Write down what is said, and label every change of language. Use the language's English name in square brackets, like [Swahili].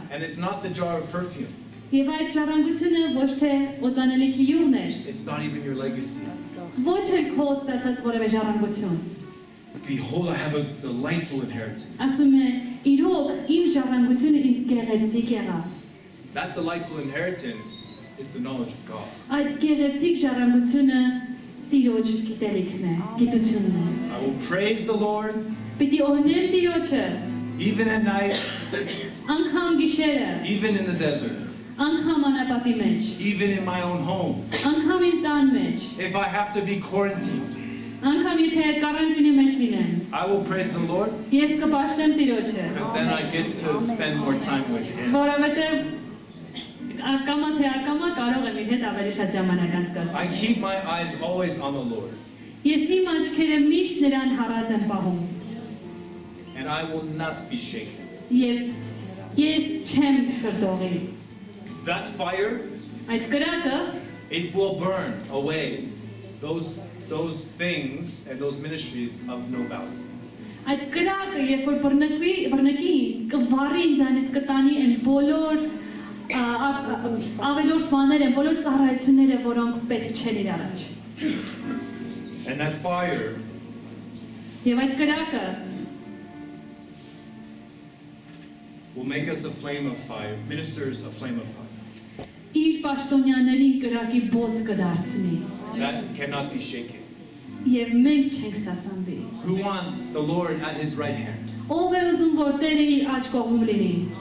[English] And it's not the jar of perfume. [Armenian] Եվ այդ ժառանգությունը ոչ թե օծանելիքի յուղն էր. [English] It's not even your legacy. [Armenian] Ոչ թե քո ստացած որևէ ժառանգություն. [English] Behold, I have a delightful inheritance. [Armenian] Ասում է իրոք իմ ժառանգությունը ինձ գեղեցիկ եղավ. [English] That delightful inheritance is the knowledge of God. [Armenian] Այդ գեղեցիկ ժառանգությունը Տիրոջ գիտելիքն է, գիտությունն է. [English] I will praise the Lord. [Armenian] Պիտի օրհնեմ Տիրոջը. [English] Even at night. [Armenian] Անկամ գիշերը. [English] Even in the desert. [Armenian] Անկամ անապատի մեջ. [English] Even in my own home. [Armenian] Անկամ իմ տան մեջ. [English] If I have to be quarantined. [Armenian] Անկամ եթե կարանտինի մեջ լինեմ. [English] I will praise the Lord. [Armenian] Ես կբաշխեմ Տիրոջը. [English] Because then I get to spend more time with him. [Armenian] Որովհետև Ակամա թե ակամա կարող եմ իր հետ ավելի շատ ժամանակ անցկացնել։ [English] I keep my eyes always on the Lord. [Armenian] Ես իմ աչքերը միշտ նրան հառած եմ պահում։ [English] And I will not be shaken. [Armenian] Ես չեմ սրտողի։ [English] That fire, [Armenian] այդ կրակը, [English] it will burn away those things and those ministries of no value. [Armenian] Այդ կրակը, երբ որ բռնկվի, բռնկի, կվառի ինձանից կտանի այն բոլոր ավելորդ բաներ են, բոլոր ծառայությունները, որոնք պետք չեն իր առաջ։ [English] And that fire. [Armenian] Եվ այդ կրակը. [English] Will make us a flame of fire, ministers a flame of fire. [Armenian] Իր պաշտոնյաների կրակի բոց կդարձնի։ [English] That cannot be shaken. [Armenian] Եվ մենք չենք սասանվի։ [English] Who wants the Lord at his right hand? [Armenian] Ով է ուզում, որ Տերը իր աջ կողմում լինի։